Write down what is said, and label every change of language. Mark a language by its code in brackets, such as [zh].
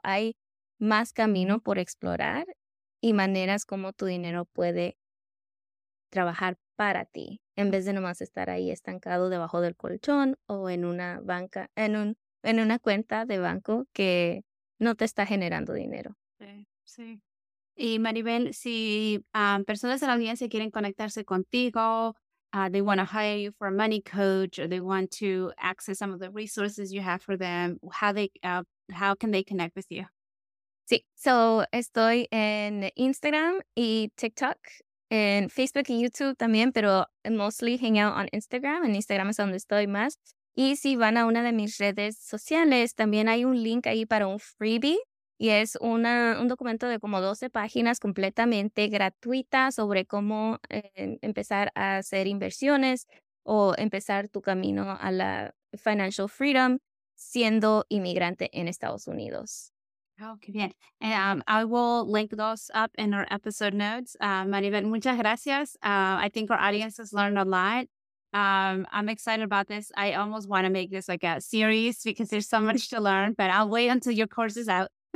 [es] Hay más camino por explorar y maneras como tu dinero puede trabajar para ti, en vez de nomás estar ahí estancado debajo del colchón o en una banca, en una cuenta de banco que no te está generando dinero. Sí. Y Maribel, si personas en la audiencia quieren conectarse contigo, [en] they want to hire you for a money coach, or they want to access some of the resources you have for them, how can they connect with you? [es] Sí, so estoy en Instagram y TikTok, en Facebook y YouTube también, pero [en] mostly hang out on Instagram. [es] En Instagram es donde estoy más. Y si van a una de mis redes sociales, también hay un link ahí para un freebie. Y es un documento de como 12 páginas completamente gratuita sobre cómo empezar a hacer inversiones o empezar tu camino a la financial freedom siendo inmigrante en Estados Unidos. Oh, qué bien. [en] I will link those up in our episode notes. Maribel, [es] muchas gracias. [en] I think our audience has learned a lot. I'm excited about this. I almost want to make this like a series because there's so much to learn, but I'll wait until your course is out.